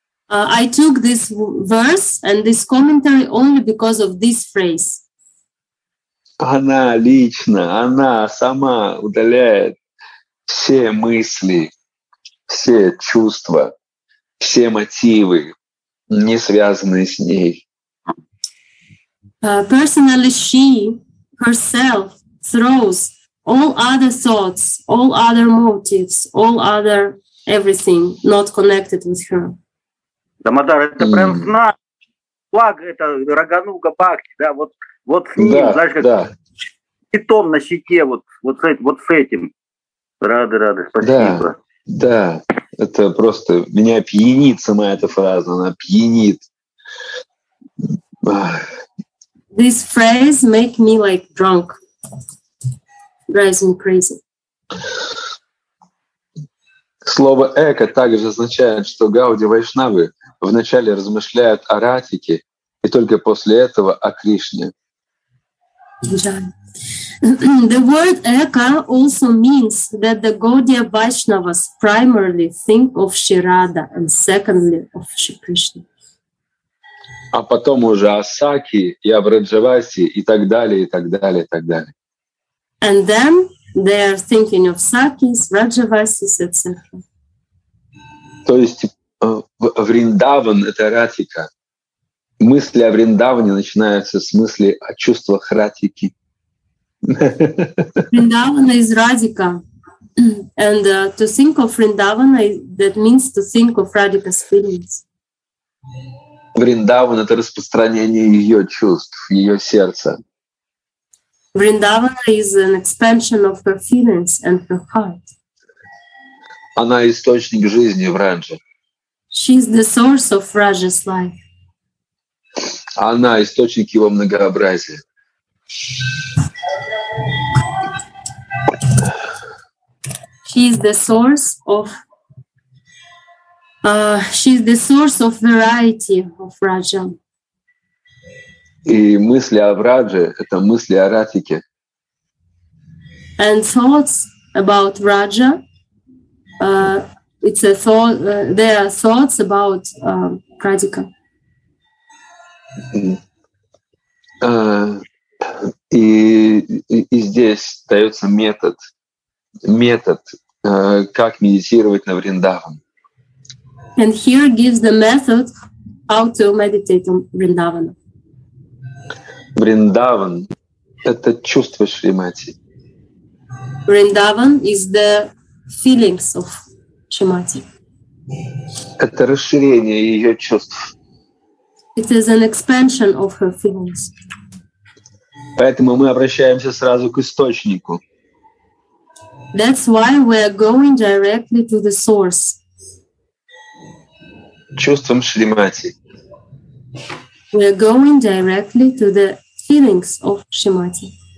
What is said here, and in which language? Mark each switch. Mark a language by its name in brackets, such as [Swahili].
[English] I took this verse and this commentary only because of this phrase. [Russian] Она лично, она сама удаляет все мысли, все чувства, все мотивы, не связанные с ней. [English] Personally, she herself throws all other thoughts, all other motives, all other everything not connected with her. [Russian] Дамодар, это прям знак. Флаг — это Рагануга Бхакти, да, вот с ним, да, знаешь, как питон на щите, вот с этим. Рады, спасибо. Да, да, это просто меня пьянит сама эта фраза, она пьянит. [English] This phrase make me like drunk. Drives me crazy. [Russian] Слово эко также означает, что Гауди Вайшнавы вначале размышляют о Ратике и только после этого о Кришне. [English] The word eka also means that the Gaudiya Vaishnavas primarily think of Shri Radha and secondly of Shri Krishna. [Russian] А потом уже о Саки и о Враджавасе и так далее, и так далее, и так далее. [English] And then they are thinking of Sakis, Vrajavasis, etc. [Russian] То есть Вриндаван — это Ратика. Мысли о Вриндаване начинаются с мысли о чувствах Ратики. [English] Vrindavana is Radhika. And to think of Vrindavana, that means to think of Radhika's feelings. [Russian] Vrindavana — это распространение ее чувств, ее сердца. [English] Vrindavana is an expansion of her feelings and her heart. [Russian] Она источник жизни в Радже. [English] She is the source of Raja's life. [Russian] Она источник его многообразия. [English] She is the source of variety of Raja. [Russian] И мысли о Радже — это мысли о Ратике. [English] And thoughts about Raja, it's a thought. There are thoughts about Radhika. [Russian] И здесь дается метод. Как медитировать на Вриндаван. [English] And here gives the method how to meditate on Vrindavana. [Russian] Вриндаван — это чувство Шримати. [English] Vrindavan is the feelings of Shrimati. [Russian] Это расширение ее чувств. [English] It is an expansion of her feelings. [Russian] Поэтому мы обращаемся сразу к источнику. [English] That's why we are going directly to the source. [Russian] Чувством Шримати. [English] We are going directly to the feelings of Шримати.